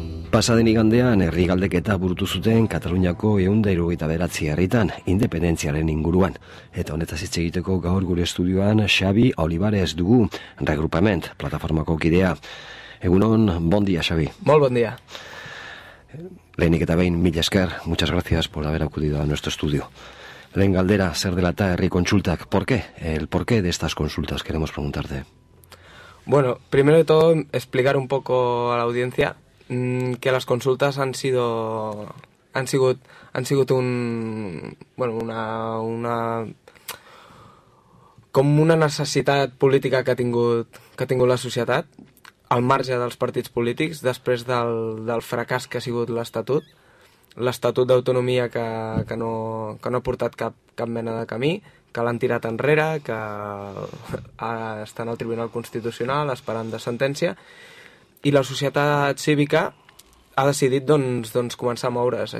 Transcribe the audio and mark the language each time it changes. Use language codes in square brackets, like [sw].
[eu] Pasaden igandean herri galdeketa burutu zuten Kataluniako 169 herritan independentziaren inguruan, eta honetaz hitz egiteko gaur gure estudioan Xabi Olivares dugu, Regrupament plataformako kidea. Egunon, [ca] bon dia, [eu] Xabi. [ca] Molt bon dia. [eu] Lehenik eta behin, mil esker, [es] muchas gracias por haber acudido a nuestro estudio. [eu] Lehen galdera, zer dela eta herri kontsultak, [es] por qué? El por qué de estas consultas queremos preguntarte. Bueno, primero de todo, explicar un poco a la audiencia que las consultas han sido un, bueno, una [ca] com una necessitat política que ha tingut la societat, al marge dels partits polítics, després del fracàs que ha sigut l'Estatut d'autonomia que no ha portat cap mena de camí, que l'han tirat enrere, que està en el Tribunal Constitucional esperant de sentència, i la societat cívica ha decidit doncs començar a moure's.